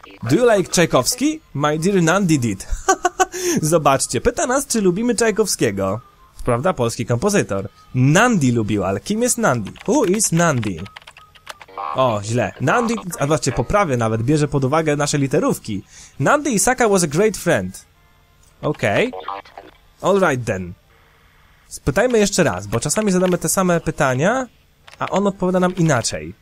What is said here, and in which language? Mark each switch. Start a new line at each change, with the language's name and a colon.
English: Do you like Czajkowski? My dear Nandy did.
Polish: Zobaczcie, pyta nas, czy lubimy Czajkowskiego. Prawda? Polski kompozytor. Nandy lubił, ale kim jest Nandy?
English: Who is Nandy?
Polish: O, źle. Nandy, a zobaczcie, poprawię nawet, bierze pod uwagę nasze literówki.
English: Nandy Isaka was a great friend. Okej. Okay. All right then.
Polish: Spytajmy jeszcze raz, bo czasami zadamy te same pytania, a on odpowiada nam inaczej.